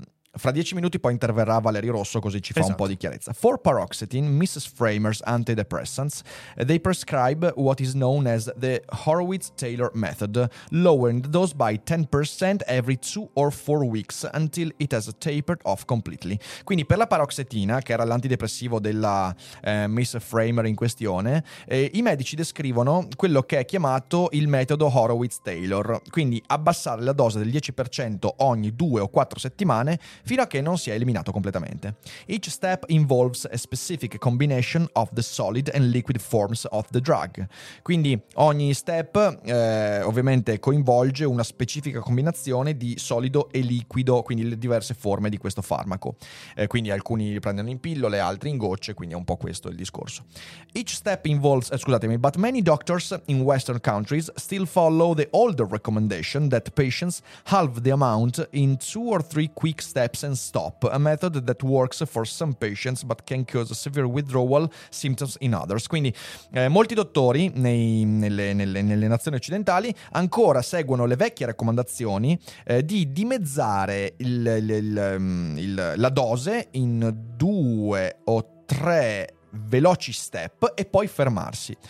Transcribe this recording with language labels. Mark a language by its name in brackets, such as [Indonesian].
[Italian] Fra 10 minuti poi interverrà Valerio Rosso, così ci fa un po' di chiarezza. [English] For paroxetine, Mrs. Framer's antidepressants, they prescribe what is known as the Horowitz-Taylor method, lowering the dose by 10% every 2 or 4 weeks until it has tapered off completely. [Italian] Quindi per la paroxetina, che era l'antidepressivo della Miss Framer in questione, i medici descrivono quello che è chiamato il metodo Horowitz-Taylor, quindi abbassare la dose del 10% ogni 2 o 4 settimane fino a che non si è eliminato completamente. [English] Each step involves a specific combination of the solid and liquid forms of the drug. [Italian] Quindi ogni step ovviamente coinvolge una specifica combinazione di solido e liquido, quindi le diverse forme di questo farmaco. Quindi alcuni li prendono in pillole, altri in gocce, quindi è un po' questo il discorso. [English] Each step involves, but many doctors in Western countries still follow the older recommendation that patients halve the amount in 2 or 3 quick steps and stop, a method that works for some patients but can cause severe withdrawal symptoms in others. [Italian] Quindi molti dottori nelle nazioni occidentali ancora seguono le vecchie raccomandazioni di dimezzare la dose in 2 o 3 veloci step e poi fermarsi.